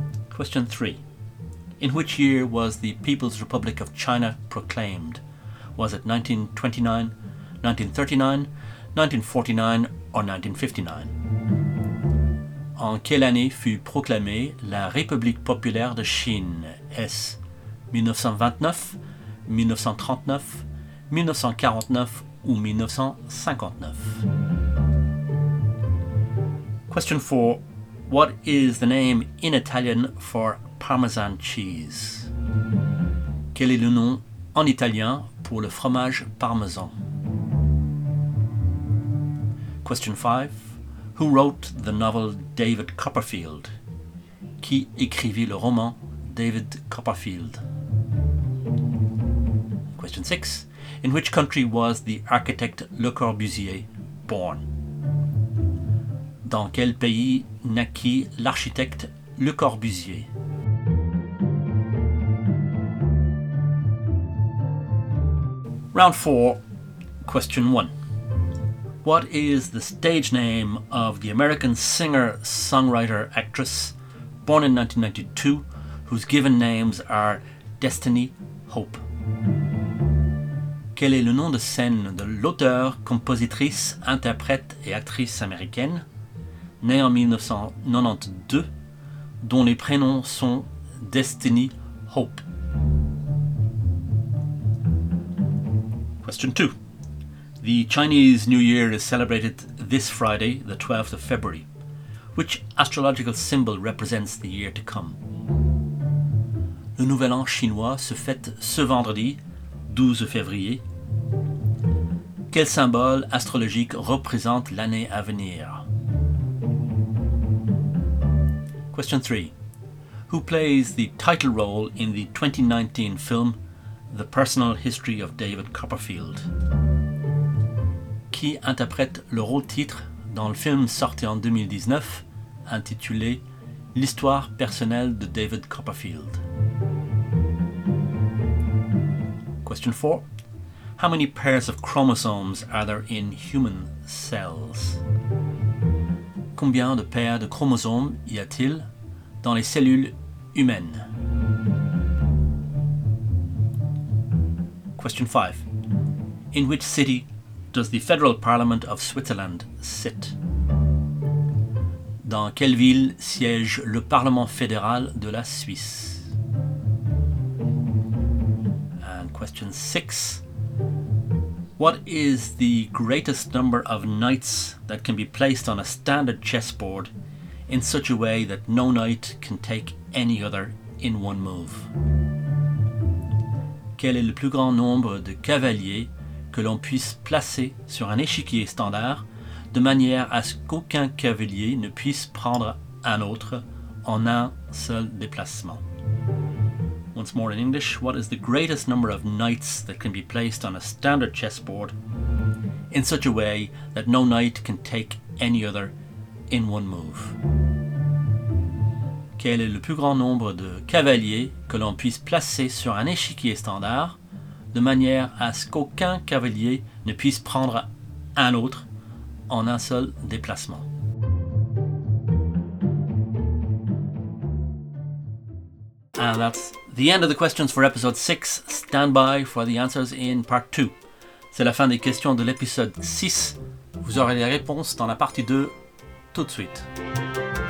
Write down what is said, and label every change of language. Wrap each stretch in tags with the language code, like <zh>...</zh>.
<en>Question 3. In which year was the People's Republic of China proclaimed? Was it 1929, 1939, 1949 or 1959?</en> <fr>En quelle année fut proclamée la République populaire de Chine? Est-ce 1929, 1939, 1949 ou 1959?</fr> <en>Question 4. What is the name in Italian for Parmesan cheese?</en> <fr>Quel est le nom en italien pour le fromage parmesan?</fr> <en>Question 5. Who wrote the novel David Copperfield?</en> <fr>Qui écrivit le roman David Copperfield?</fr> <en>Question 6. In which country was the architect Le Corbusier born?</en> <fr>Dans quel pays naquit l'architecte Le Corbusier?</fr> <en>Round 4, question 1. What is the stage name of the American singer, songwriter, actress born in 1992, whose given names are Destiny, Hope?</en> <fr>Quel est le nom de scène de l'auteur, compositrice, interprète et actrice américaine, née en 1992, dont les prénoms sont Destiny, Hope?</fr> <en>Question 2. The Chinese New Year is celebrated this Friday, the 12th of February. Which astrological symbol represents the year to come?</en> <fr>Le Nouvel An chinois se fête ce vendredi, 12 février. Quel symbole astrologique représente l'année à venir?</fr> <en>Question 3. Who plays the title role in the 2019 film The Personal History of David Copperfield?</en> <fr>Qui interprète le rôle-titre dans le film sorti en 2019 intitulé L'histoire personnelle de David Copperfield?</fr> <en>Question 4. How many pairs of chromosomes are there in human cells?</en> <fr>Combien de paires de chromosomes y a-t-il dans les cellules humaines?</fr> <en>Question 5. In which city does the Federal Parliament of Switzerland sit?</en> <fr>Dans quelle ville siège le Parlement fédéral de la Suisse?</fr> <en>And question 6. What is the greatest number of knights that can be placed on a standard chessboard in such a way that no knight can take any other in one move?</en> <fr>Quel est le plus grand nombre de cavaliers que l'on puisse placer sur un échiquier standard de manière à ce qu'aucun cavalier ne puisse prendre un autre en un seul déplacement?</fr> <en>Once more in English, what is the greatest number of knights that can be placed on a standard chessboard in such a way that no knight can take any other in one move?</en> <fr>Quel est le plus grand nombre de cavaliers que l'on puisse placer sur un échiquier standard de manière à ce qu'aucun cavalier ne puisse prendre un autre en un seul déplacement?</fr> <en>And that's the end of the questions for episode 6. Stand by for the answers in part 2.</en> <fr>C'est la fin des questions de l'épisode 6. Vous aurez les réponses dans la partie 2 tout de suite.</fr>